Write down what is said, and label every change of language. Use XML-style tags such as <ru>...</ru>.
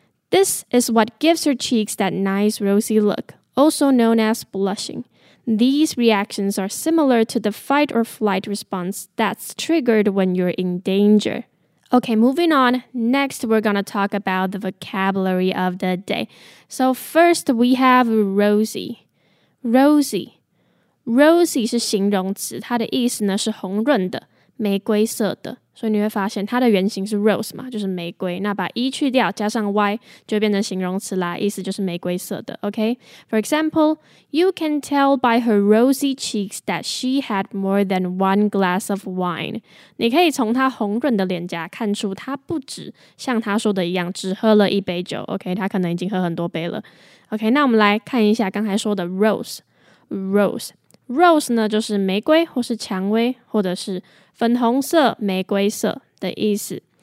<en>This is what gives your cheeks that nice rosy look, also known as blushing. These reactions are similar to the fight or flight response that's triggered when you're in danger. Okay, moving on. Next, we're gonna talk about the vocabulary of the day. So first, we have rosy. Rosy.</en> <zh>Rosy 是形容词，它的意思呢是红润的，玫瑰色的。所以你会发现它的原型是 rose 嘛，就是玫瑰。那把 e 去掉，加上 y 就变成形容词啦，意思就是玫瑰色的。</zh> <en>Okay, for example, you can tell by her rosy cheeks that she had more than one glass of wine.</en> <zh>你可以从她红润的脸颊看出她不止像她说的一样只喝了一杯酒。 Okay, 她可能已经喝很多杯了。Okay, 那我们来看一下刚才说的 rose。 Rose 呢，就是玫瑰，或是蔷薇，或者是粉红色、玫瑰色的意思。</zh>